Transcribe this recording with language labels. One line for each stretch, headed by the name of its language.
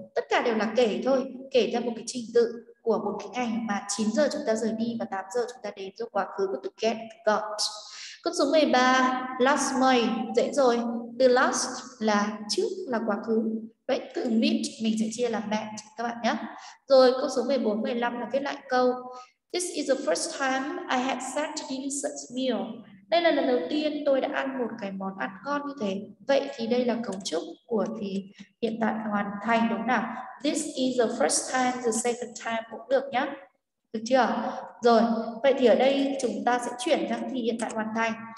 Vietnamese: Tất cả đều là kể thôi. Kể theo một cái trình tự của một cái ngày mà 9 giờ chúng ta rời đi và 8 giờ chúng ta đến, do quá khứ của từ get, got. Câu số 13. Last May. Dễ rồi. Từ last là trước, là quá khứ. Vậy từ meet mình sẽ chia là met các bạn nhé. Rồi câu số 14, 15 là viết lại câu.
English: This is the first time I had sat to eat such meal.
Vietnamese: Đây là lần đầu tiên tôi đã ăn một cái món ăn ngon như thế. Vậy thì đây là cấu trúc của thì hiện tại hoàn thành, đúng nào?
English: This is the first time, the second time
Vietnamese: cũng được nhé. Được chưa? Rồi, vậy thì ở đây chúng ta sẽ chuyển sang thì hiện tại hoàn thành.